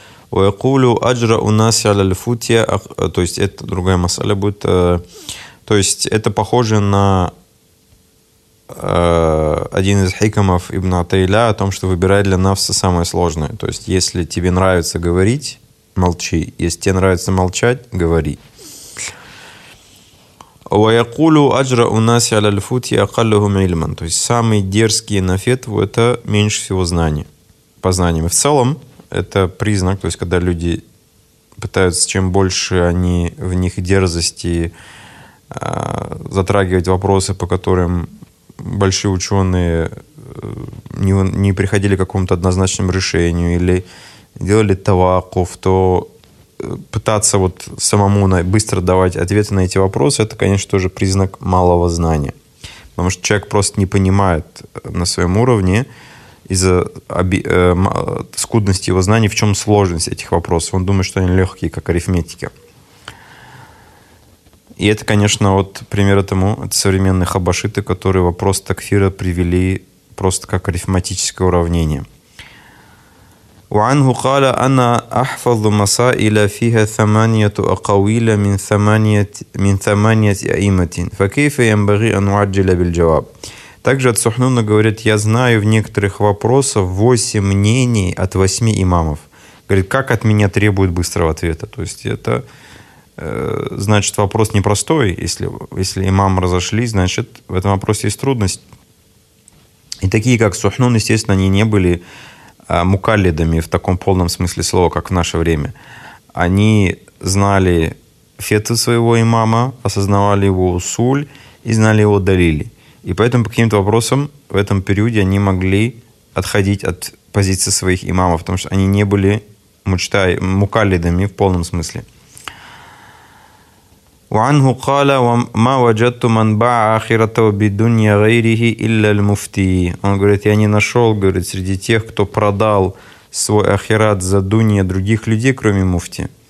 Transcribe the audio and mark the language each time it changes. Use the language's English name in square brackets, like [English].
[Arabic] وَيَقُولُ أَجْرَ أُنَاسِ عَلَى الْفُتْيَ. [Russian] То есть это другая масаля будет. То есть это похоже на один из хикамов Ибн Атейля о том, что выбирай для нафса самое сложное. То есть если тебе нравится говорить, молчи. Если тебе нравится молчать, говори. [Arabic] وَيَقُولُ أَجْرَ أُنَاسِ عَلَى الْفُتْيَ أَقَلُّهُمْ عِلْمًا. [Russian] То есть самые дерзкие на фетву — это меньше всего знания. По знаниям. И в целом это признак, то есть когда люди пытаются, чем больше они в них дерзости затрагивать вопросы, по которым большие ученые не приходили к какому-то однозначному решению или делали таваков, то пытаться вот самому быстро давать ответы на эти вопросы, это, конечно, тоже признак малого знания. Потому что человек просто не понимает на своем уровне, из-за скудности его знаний, в чем сложность этих вопросов. Он думает, что они легкие, как арифметики. И это, конечно, вот пример этому, это современные хабашиты, которые вопрос такфира привели просто как арифметическое уравнение. [Arabic] وعنه قال أنا أحفظ مسائل فيها ثمانية أقاويل من ثمانية أئمة فكيف ينبغي أن أعجل بالجواب. [Russian] Также от Сухнуна говорит, я знаю в некоторых вопросах 8 мнений от 8 имамов. Говорит, как от меня требуют быстрого ответа. То есть это значит вопрос непростой. Если имамы разошлись, значит в этом вопросе есть трудность. И такие как Сухнун, естественно, они не были мукаллидами в таком полном смысле слова, как в наше время. Они знали фетву своего имама, осознавали его усуль и знали его далили. И поэтому по каким-то вопросам в этом периоде они могли отходить от позиции своих имамов, потому что они не были мукаллидами в полном смысле. [Arabic] وعنه قال وما وجدت من باع آخرته بدنيا غيره إلا المفتي. [Russian] Он говорит, я не нашел, говорит, среди тех, кто продал свой ахират за дунья других людей, кроме муфти.